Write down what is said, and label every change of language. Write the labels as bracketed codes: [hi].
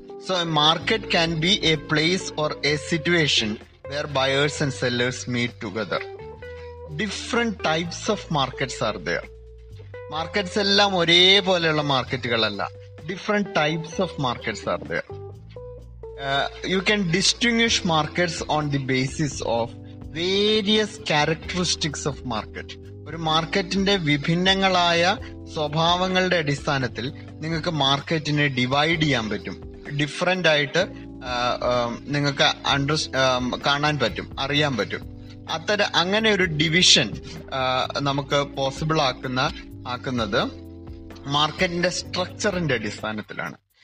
[en] So a market can be a place or a situation where buyers and sellers meet together. Different types of markets are there. [ml] Markets എല്ലാം ഒരേപോലെയുള്ള മാർക്കറ്റുകളല്ല. [en] Different types of markets are there. You can distinguish markets on the basis of various characteristics of market. [ml] ഒരു മാർക്കറ്റിന്റെ വിഭിന്നങ്ങളായ സ്വഭാവങ്ങളുടെ അടിസ്ഥാനത്തിൽ നിങ്ങൾക്ക് മാർക്കറ്റിനെ divide ചെയ്യാൻ പറ്റും. Different ആയിട്ട് നിങ്ങൾക്ക് കാണാൻ പറ്റും, അറിയാൻ പറ്റും. അങ്ങനെ ഒരു ഡിവിഷൻ നമുക്ക് പോസിബിൾ ആക്കുന്നത് മാർക്കറ്റിന്റെ സ്ട്രക്ചറിന്റെ അടിസ്ഥാനത്തിലാണ്.